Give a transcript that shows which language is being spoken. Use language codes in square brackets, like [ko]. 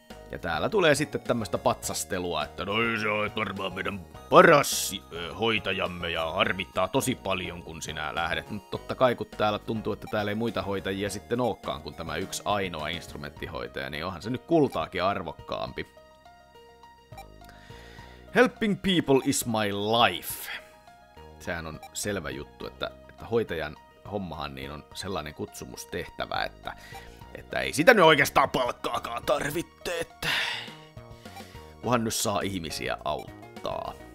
[fi] Ja täällä tulee sitten tämmöistä patsastelua, että no se on varmaan meidän paras hoitajamme ja harmittaa tosi paljon, kun sinä lähdet. Mutta totta kai, kun täällä tuntuu, että täällä ei muita hoitajia sitten olekaan kuin tämä yksi ainoa instrumenttihoitaja, niin onhan se nyt kultaakin arvokkaampi. [en] Helping people is my life. [fi] Sehän on selvä juttu, että hoitajan hommahan niin on sellainen kutsumustehtävä, että ei sitä nyt oikeastaan palkkaakaan tarvitte, että kunhan nyt saa ihmisiä auttaa.